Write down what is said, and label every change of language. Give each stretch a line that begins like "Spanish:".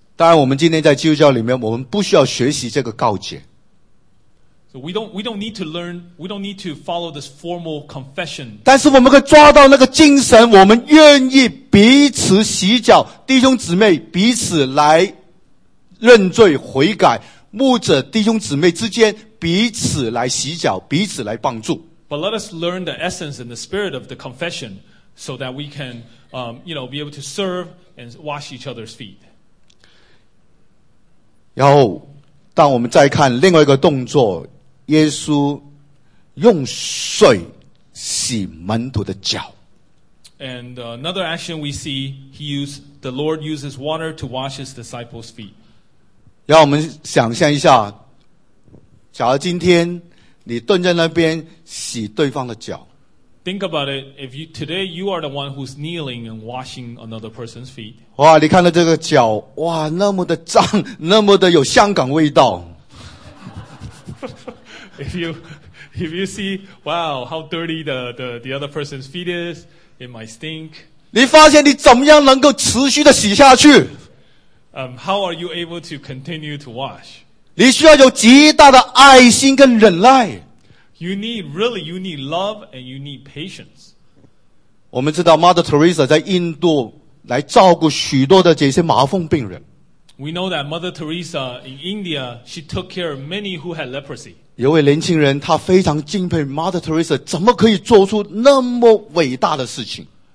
Chinese: 当然，我们今天在基督教里面，我们不需要学习这个告解。
English: So we don't need to learn, we don't need to follow this formal confession.
Chinese: 但是我们可以抓到那个精神，我们愿意彼此洗脚，弟兄姊妹彼此来认罪悔改。牧者弟兄姊妹之间彼此来洗脚，彼此来帮助。
English: But let us learn the essence and the spirit of the confession, so that we can, be able to serve and wash each other's feet.
Chinese: 然后，当我们再看另外一个动作，耶稣用水洗门徒的脚。
English: And another action we see, the Lord uses water to wash his disciples' feet.
Chinese: 让我们想象一下，假如今天你蹲在那边洗对方的脚。
English: Think about it. If you today you are the one who's kneeling and washing another person's feet.
Chinese: 哇，你看到这个脚，哇，那么的脏，那么的有香港味道。
English: If you see, wow, how dirty the other person's feet is, it might stink.
Chinese: 你发现你怎么样能够持续的洗下去？
English: How are you able to continue to wash?
Chinese: 你需要有极大的爱心跟忍耐。
English: You need love and you need patience.
Chinese: 我们知道 Mother Teresa 在印度来照顾许多的这些麻风病人。
English: We know that Mother Teresa in India, she took care of many who had leprosy.
Chinese: 有位年轻人他非常敬佩 Mother Teresa 怎么可以做出那么伟大的事情。